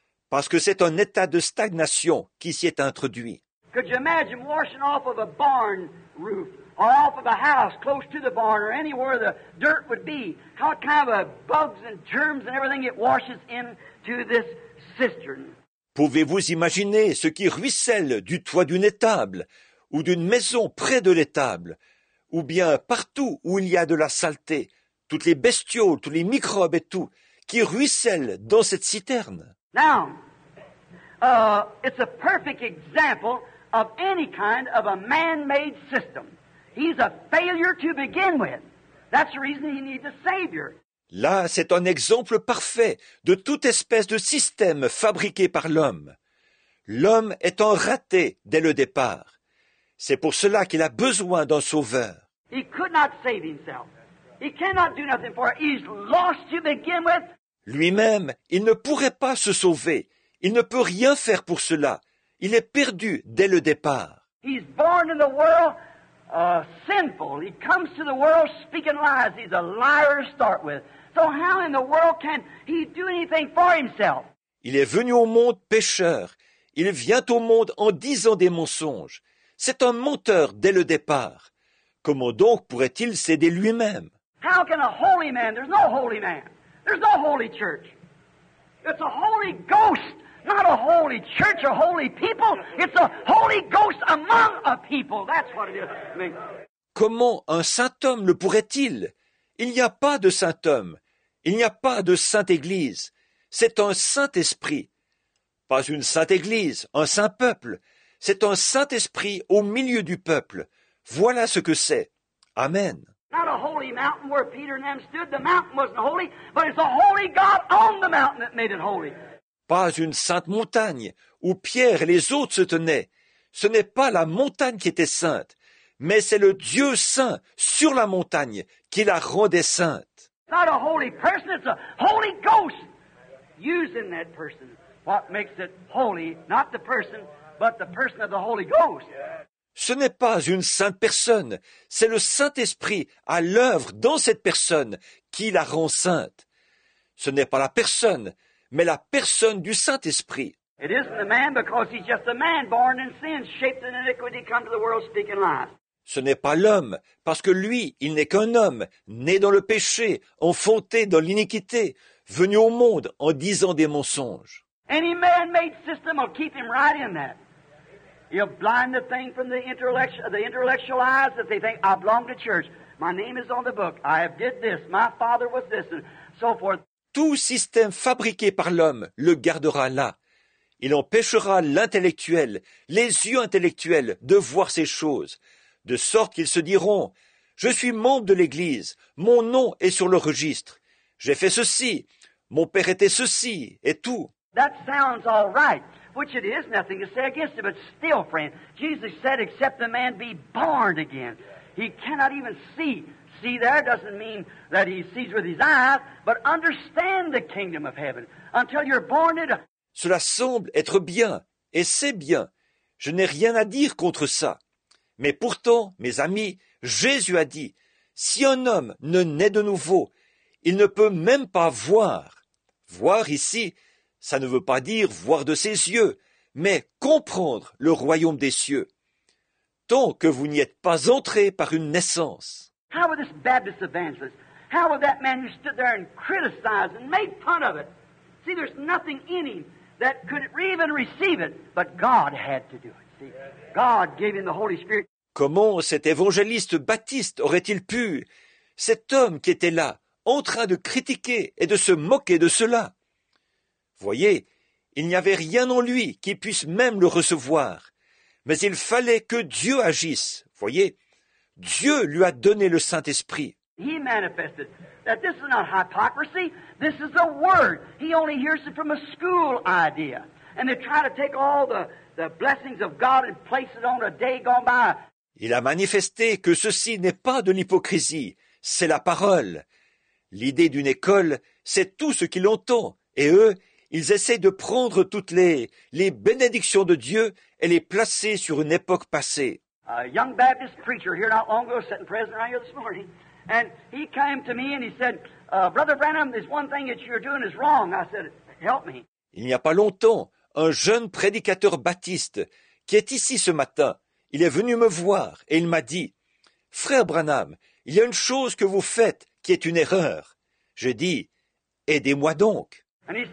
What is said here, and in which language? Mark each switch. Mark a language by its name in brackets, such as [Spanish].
[French] parce que c'est un état de stagnation qui s'y est introduit. [English] Could you imagine washing off of a barn roof or off of a house close to the barn or anywhere the dirt would be? How kind of a bugs and germs and everything it washes into this cistern? [French] Pouvez-vous imaginer ce qui ruisselle du toit d'une étable ou d'une maison près de l'étable, ou bien partout où il y a de la saleté, toutes les bestioles, tous les microbes et tout, qui ruissellent dans cette citerne? [English] Now, it's a perfect example of any kind of a man-made system. He's a failure to begin with. That's the reason he needs a savior. [French] Là, c'est un exemple parfait de toute espèce de système fabriqué par l'homme. L'homme est un raté dès le départ. C'est pour cela qu'il a besoin d'un sauveur. [English] He could not save himself. He cannot do nothing for it. He's lost to begin with. [French] Lui-même, il ne pourrait pas se sauver. Il ne peut rien faire pour cela. Il est perdu dès le départ. [English] He's born in the world sinful. He comes to the world speaking lies. He's a liar to start with. So how in the world can he do anything for himself? [French] Il est venu au monde pécheur. Il vient au monde en disant des mensonges. C'est un menteur dès le départ. Comment donc pourrait-il s'aider lui-même? [English] How can a holy man? There's no holy man. There's no holy church. It's a holy ghost, not a holy church, a holy people. It's a holy ghost among a people. That's what it is. [French] Comment un saint homme le pourrait-il? Il n'y a pas de saint homme. Il n'y a pas de sainte église. C'est un saint esprit. Pas une sainte église, un saint peuple. C'est un Saint-Esprit au milieu du peuple. Voilà ce que c'est. Amen. [English] Not a holy mountain where Peter and them stood. The mountain wasn't holy, but it's a holy God on the mountain that made it holy. [French] Pas une sainte montagne où Pierre et les autres se tenaient. Ce n'est pas la montagne qui était sainte, mais c'est le Dieu saint sur la montagne qui la rendait sainte. [English] Not a holy person, it's a holy ghost using that person. What makes it holy, not the person, but the person of the Holy Ghost. [French] Ce n'est pas une sainte personne, c'est le Saint-Esprit à l'œuvre dans cette personne qui la rend sainte. Ce n'est pas la personne, mais la personne du Saint-Esprit. [English] It isn't the man because he's just a man born in sin, shaped in iniquity, come to the world speaking lies. [French] Ce n'est pas l'homme, parce que lui, il n'est qu'un homme, né dans le péché, enfanté dans l'iniquité, venu au monde en disant des mensonges. [English] Any man-made system will keep him right in that. He'll blind the thing from the intellectual eyes that they think, I belong to church. My name is on the book. I have did this. My father was this, and so forth. [French] Tout système fabriqué par l'homme le gardera là. Il empêchera l'intellectuel, les yeux intellectuels, de voir ces choses, de sorte qu'ils se diront, je suis membre de l'Église. Mon nom est sur le registre. J'ai fait ceci. Mon père était ceci, et tout. [English] That sounds all right, which it is, nothing to say against it, but still, friend, Jesus said, except the man be born again, he cannot even see. See there doesn't mean that he sees with his eyes, but understand the kingdom of heaven until you're born into. [French] Cela semble être bien, et c'est bien. Je n'ai rien à dire contre ça. Mais pourtant, mes amis, Jésus a dit, si un homme ne naît de nouveau, il ne peut même pas voir. Voir ici, ça ne veut pas dire voir de ses yeux, mais comprendre le royaume des cieux. Tant que vous n'y êtes pas entré par une naissance. [English] How would this Baptist evangelist, how would that man who stood there and criticized and made fun of it? See, there's nothing in him that could even receive it, but God had to do it. See, God gave him the Holy Spirit. [French] Comment cet évangéliste baptiste aurait-il pu, cet homme qui était là, en train de critiquer et de se moquer de cela? Voyez, il n'y avait rien en lui qui puisse même le recevoir. Mais il fallait que Dieu agisse. Voyez, Dieu lui a donné le Saint-Esprit. [English] He manifested that this is not hypocrisy, this is a word. He only hears it from a school idea. And they try to take all the blessings of God and place it on a day gone by. [French] Il a manifesté que ceci n'est pas de l'hypocrisie, c'est la parole. L'idée d'une école, c'est tout ce qu'il entend, et eux, ils essaient de prendre toutes les bénédictions de Dieu et les placer sur une époque passée. [English] A young Baptist preacher here not long ago, sitting present right here this morning, and he came to me and he said, Brother Branham, there's one thing that you're doing is wrong. I said, help me. [French] Il n'y a pas longtemps, un jeune prédicateur baptiste qui est ici ce matin, il est venu me voir et il m'a dit « Frère Branham, il y a une chose que vous faites qui est une erreur. » J'ai dit « Aidez-moi donc. »